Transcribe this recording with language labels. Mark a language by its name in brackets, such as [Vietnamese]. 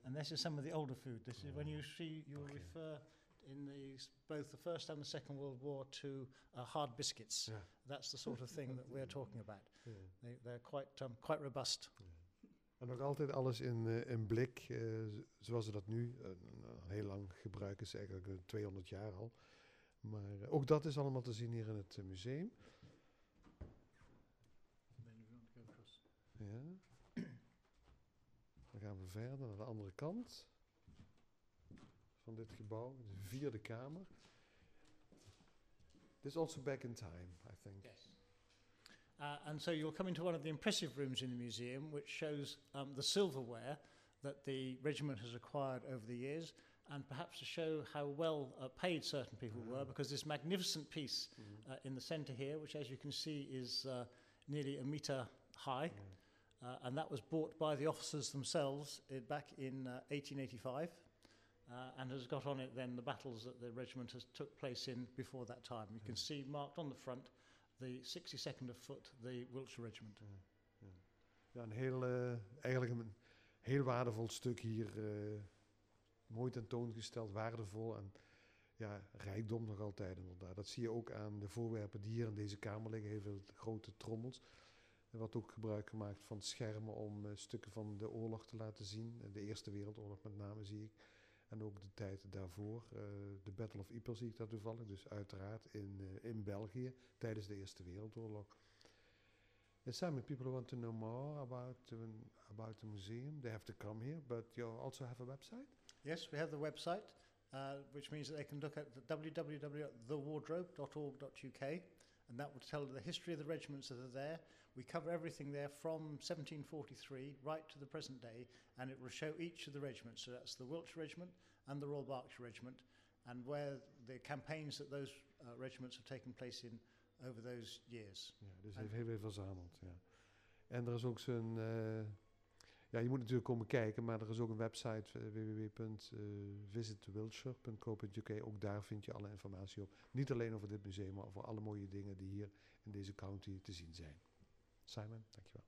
[English] And this is some of the older food. This is when you see, you refer in both the First and the Second World War to hard biscuits. Yeah. That's the sort of thing that we're talking about. Yeah. They're quite robust. [Dutch] Yeah. En nog altijd alles in blik, zoals ze dat nu heel lang gebruiken, is eigenlijk 200 jaar al. Maar ook dat is allemaal te zien hier in het museum. Ja. Dan gaan we verder naar de andere kant van dit gebouw, de vierde kamer. [English] This is also back in time, I think. Yes. And so you'll come into one of the impressive rooms in the museum, which shows the silverware that the regiment has acquired over the years, and perhaps to show how well paid certain people were, because this magnificent piece in the centre here, which as you can see is nearly a metre high. Mm. And that was bought by the officers themselves back in 1885 and has got on it then the battles that the regiment has took place in before that time. You can see marked on the front the 62nd of Foot, the Wiltshire Regiment. [Dutch] Ja, een heel, eigenlijk een heel waardevol stuk hier. Mooi tentoongesteld, waardevol en ja, rijkdom nog altijd. Inderdaad. Dat zie je ook aan de voorwerpen die hier in deze kamer liggen, heel veel grote trommels. Er wordt ook gebruik gemaakt van schermen om stukken van de oorlog te laten zien. De Eerste Wereldoorlog met name zie ik. En ook de tijd daarvoor. De Battle of Ypres zie ik daar toevallig. Dus uiteraard in België tijdens de Eerste Wereldoorlog. [English] And some people want to know more about the museum. They have to come here, but you also have a website? Yes, we have the website. Which means that they can look at www.thewardrobe.org.uk. And that will tell the history of the regiments that are there. We cover everything there from 1743 right to the present day, and it will show each of the regiments. So that's the Wiltshire Regiment and the Royal Berkshire Regiment, and where the campaigns that those regiments have taken place in over those years. [Dutch] Ja, dus heeft heel veel verzameld. Ja. En er is ook zo'n. Ja, je moet natuurlijk komen kijken, maar er is ook een website www.visitwiltshire.co.uk. Ook daar vind je alle informatie op. Niet alleen over dit museum, maar over alle mooie dingen die hier in deze county te zien zijn. Simon, dankjewel.